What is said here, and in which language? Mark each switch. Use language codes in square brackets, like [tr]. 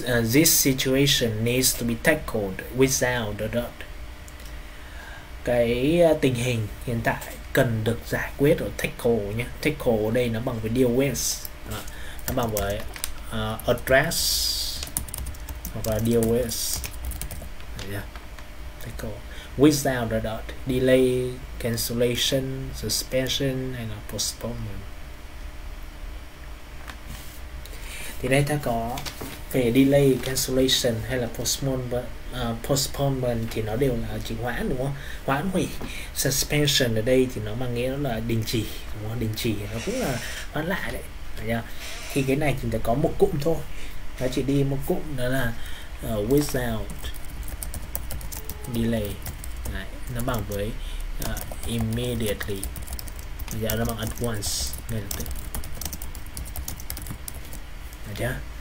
[en] This situation needs to be tackled without the dot. [vi] Cái tình hình hiện tại cần được giải quyết ở tackle nhé. Tackle ở đây nó bằng với deal with, nó bằng với address hoặc là deal with. [en] Yeah. Tackle without the dot, delay, cancellation, suspension and postponement. [vi] Thì đây ta có về delay, cancellation hay là postponement thì nó đều là chỉ hoãn đúng không? Hoãn hủy. Suspension ở đây thì nó mang nghĩa là đình chỉ đúng không? Đình chỉ nó cũng là hoãn lại đấy. Khi cái này chúng ta có một cụm thôi, nó chỉ đi một cụm, đó là without delay đấy, nó bằng với immediately, giờ nó bằng at once, ngay lập tức, được chưa?